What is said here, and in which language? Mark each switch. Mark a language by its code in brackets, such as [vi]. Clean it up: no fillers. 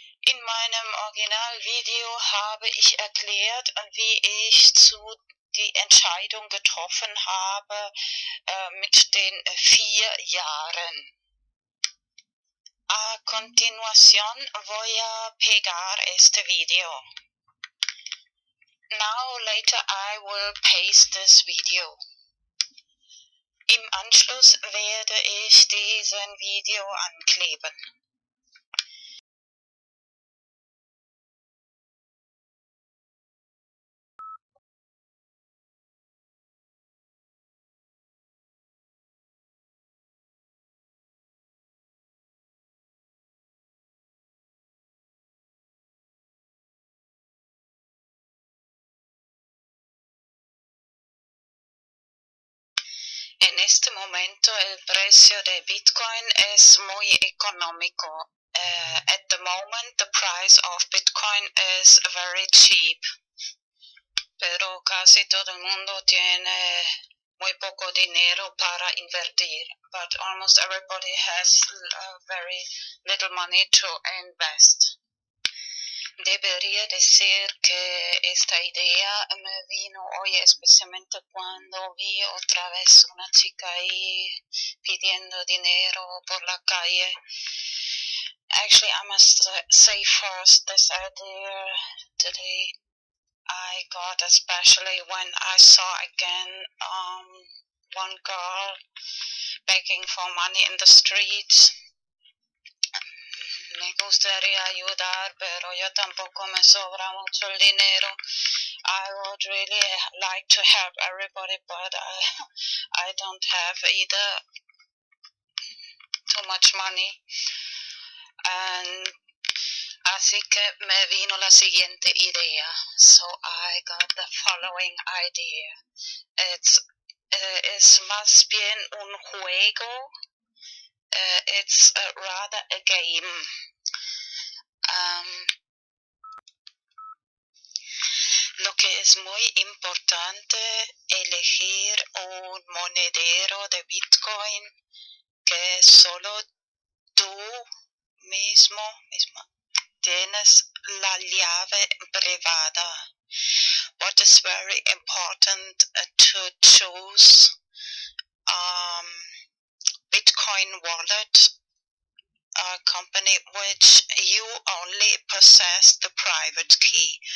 [de] In meinem Originalvideo habe ich erklärt, wie ich die Entscheidung getroffen habe mit den 4 Jahren. [es] A continuación voy a pegar este video. [en] Now, later, I will paste this video. [de] Im Anschluss werde ich diesen Video ankleben. [es] En este momento el precio de Bitcoin es muy económico. [en] At the moment the price of Bitcoin is very cheap. [es] Pero casi todo el mundo tiene muy poco dinero para invertir. [en] But almost everybody has very little money to invest. [es] Debería decir que esta idea me vino hoy, especialmente cuando vi otra vez una chica ahí pidiendo dinero por la calle. [en] Actually, I must say first this idea today I got, especially when I saw again one girl begging for money in the streets. [es] Me gustaría ayudar, pero yo tampoco me sobra mucho el dinero. [en] I would really like to help everybody, but I don't have either too much money. [es] And así que me vino la siguiente idea. [en] So I got the following idea. [es] Es más bien un juego. [en] It's rather a game. [es] Lo que es muy importante elegir un monedero de Bitcoin que solo tú mismo tienes la llave privada. [en] what is very important to choose Bitcoin wallet, a company which you only possess the private key.